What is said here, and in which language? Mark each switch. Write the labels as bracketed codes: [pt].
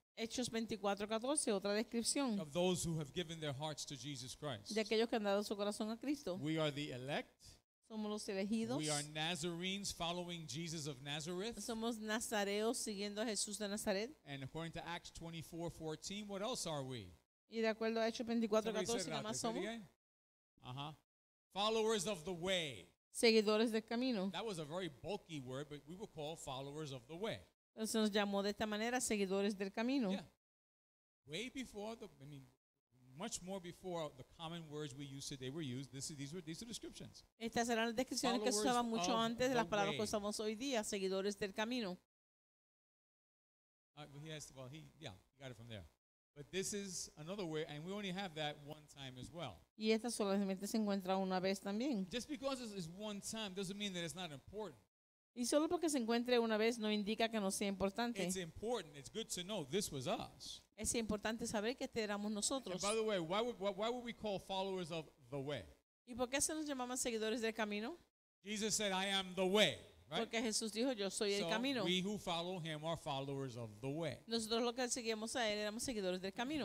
[es] Hechos 24:14, otra descripción. [en] Of those who have given their hearts to Jesus Christ. [es] De aquellos que han dado su corazón a Cristo. [en] We are the elect. [es] Somos los elegidos. [en] We are Nazarenes following Jesus of Nazareth. [es] Somos nazareos siguiendo a Jesús de Nazaret. [en] And according to Acts 24:14, what else are we? [es] Y de acuerdo a Hechos 24:14, ¿qué más somos? [en] Followers of the way. [es] Seguidores del camino. [en] That was a very bulky word, but we were called followers of the way. [es] Se nos llamó de esta manera, seguidores del camino. [en] Yeah. Way before much more before the common words we use today were used. These are descriptions. [es] Estas eran las descripciones que se usaban mucho antes de las palabras que usamos hoy día, seguidores del camino. [en] He got it from there. But this is another way, and we only have that one time as well. [es] Y esta solamente se encuentra una vez también. [en] Just because it's one time doesn't mean that it's not important. [es] Y solo porque se encuentre una vez no indica que no sea importante. [en] It's important. It's good to know this was us. [es] Es importante saber que este éramos nosotros. [en] And by the way, why would we call followers of the way? [es] ¿Y por qué se nos llamaban seguidores del camino? [en] Jesus said, "I am the way." Right? [es] Porque Jesús dijo, yo soy el camino. [en] We who follow him are followers of the way. [es] Nosotros los que seguimos a él éramos seguidores del camino.